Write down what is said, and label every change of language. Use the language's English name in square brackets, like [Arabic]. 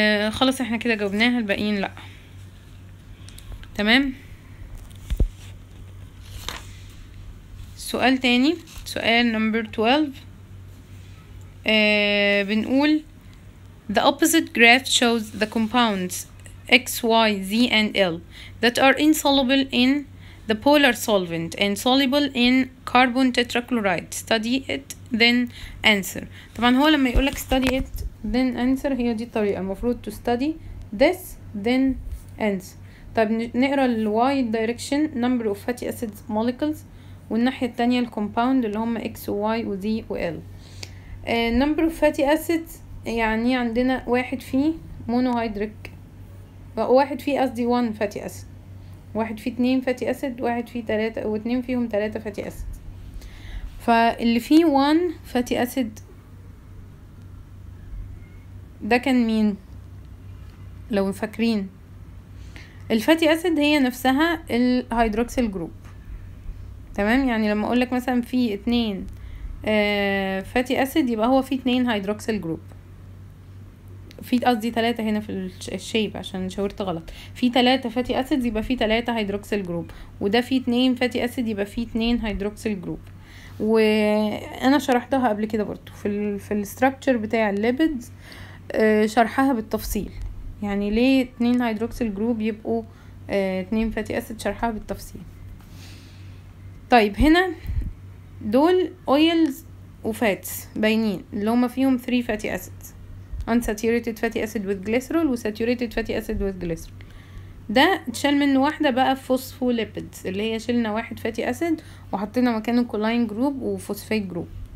[Arabic] خلاص احنا كده جاوبناها، الباقيين لأ. تمام، سؤال تاني، سؤال number 12. بنقول [English] the opposite graph shows the compounds X, Y, Z and L that are insoluble in the polar solvent and soluble in carbon tetrachloride. Study it then answer. [Arabic] طبعا هو لما يقولك [English] study it then answer، [Arabic] هي دي الطريقة المفروض [English] to study this then answer. [Arabic] طيب نقرأ ال Y [English] direction number of fatty acid molecules، [Arabic] والناحية التانية ال compound اللي هم X, Y, Z و L. Number of fatty acids يعني عندنا واحد فيه monohydric، واحد فيه قصدي one fatty acid، واحد فيه اتنين fatty acid، واحد فيه تلاتة، واتنين فيهم تلاتة fatty acid. فاللي فيه one fatty acid ده كان مين لو فاكرين؟ الفاتي acid هي نفسها الهيدروكسيل جروب. تمام، يعني لما اقولك مثلا فيه اتنين فاتي اسيد يبقى هو فيه اتنين هيدروكسيل جروب، في قصدي تلاتة هنا في الشيب عشان شاورت غلط، فيه تلاتة فاتي اسيد يبقى فيه تلاتة هيدروكسيل جروب، وده فيه اتنين فاتي اسيد يبقى فيه اتنين هيدروكسيل جروب. وانا شرحتها قبل كده برضو في الستركتشر بتاع الليبيدز، شرحها بالتفصيل يعني ليه اتنين هيدروكسيل جروب يبقوا اتنين فاتي اسيد، شرحها بالتفصيل. طيب هنا دول [English] oils و fats [Arabic] باينين اللي هما فيهم [English] 3 fatty acids, unsaturated fatty acid with glycerol و saturated fatty acid with glycerol. [Arabic] ده اتشال منه واحدة بقى phospholipids اللي هي شلنا واحد fatty acid وحطينا مكانه choline group و phosphate group.